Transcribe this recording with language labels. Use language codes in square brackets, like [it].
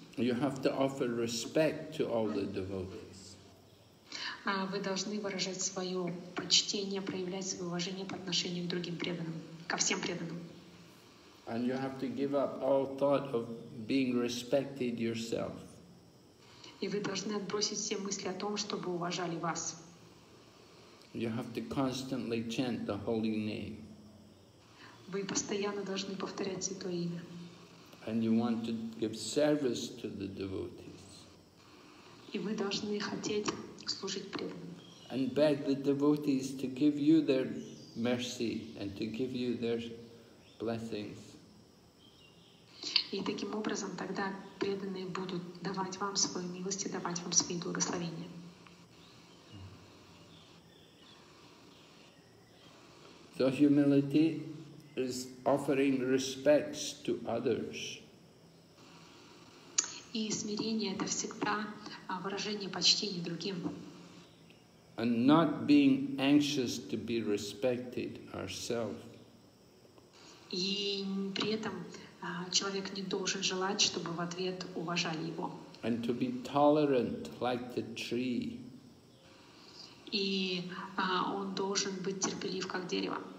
[en] You have to offer respect to all the devotees. [ru] Вы должны выражать свое почтение, проявлять свое уважение по отношению к другим преданным, ко всем преданным. [en] And you have to give up all thought of being respected yourself. [ru] И вы должны отбросить все мысли о том, чтобы уважали вас. [en] You have to constantly chant the holy name. [ru] Вы постоянно должны повторять святое имя. [en] And you want to give service to the devotees. [ru] И вы должны хотеть служить преданным. [en] And beg the devotees to give you their mercy and to give you their blessings. [ru] И таким образом тогда преданные будут давать вам свою милость и давать вам свои благословения. [en] So humility is offering respects to others. [ru] И смирение это всегда выражение почтения другим. [en] And not being anxious to be respected ourselves. [ru] И при этом человек не должен желать, чтобы в ответ уважали его. [en] And to be tolerant like the tree. [ru] И он должен быть терпелив, как дерево.